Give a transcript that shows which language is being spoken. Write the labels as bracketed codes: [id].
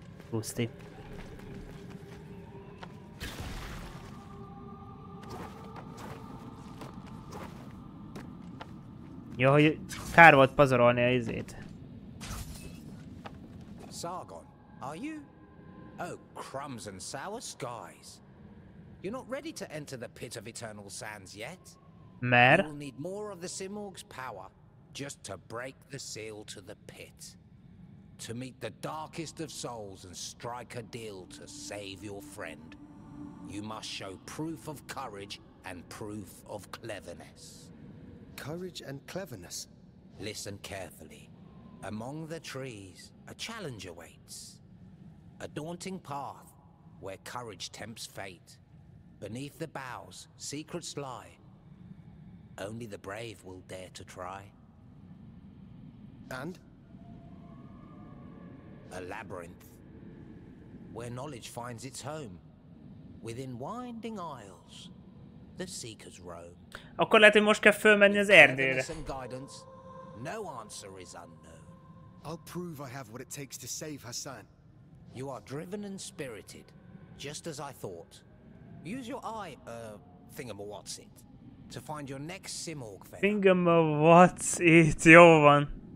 [hu] Puszti. Jó, hogy kár volt pazarolni a izét. [en] Sargon, are you? Oh, crumbs and sour skies. You're not ready to enter the pit of eternal sands yet. [hu] Mer? [en] You'll need more of the Simorgh's power just to break the seal to the pit. To meet the darkest of souls and strike a deal to save your friend. You must show proof of courage and proof of cleverness. Courage and cleverness. Listen carefully. Among the trees, a challenge awaits. A daunting path where courage tempts fate. Beneath the boughs, secrets lie. Only the brave will dare to try. And? A labyrinth. Where knowledge finds its home. Within winding aisles. The seekers roam. [hu] Akkor lehet, hogy most kell fölmenni az erdőre. [en] Guidance, no answer is unknown. I'll prove I have what it takes to save Hassan. You are driven and spirited, just as I thought. Use your eye, thingamawatsit, to find your next Simorgh feather. [hu] Thingamawatsit, jó van.